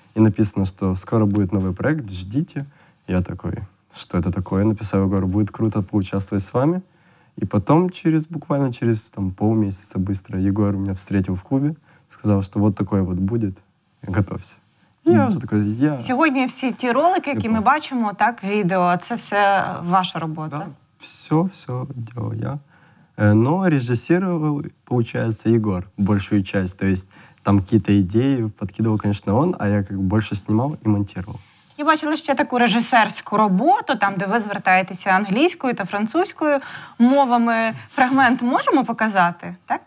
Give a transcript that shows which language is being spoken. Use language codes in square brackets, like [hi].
[ru] И написано, что скоро будет новый проект, ждите. Я такой, что это такое? Написал Егору, будет круто поучаствовать с вами. И потом, через, буквально через там, полмесяца быстро, Егор меня встретил в клубе, сказал, что вот такое вот будет, готовься. Я уже такой. [uk] Сьогодні всі ті ролики, які ми бачимо, так, відео, це все ваша робота? [ru] Да, все делал я. Но режиссировал, получается, Егор большую часть, то есть там какие-то идеи подкидывал, конечно, он, а я как бы больше снимал и монтировал. [uk] Я бачила ще таку режисерську роботу, там, де ви звертаєтеся англійською та французькою мовами. Фрагмент можемо показати, так?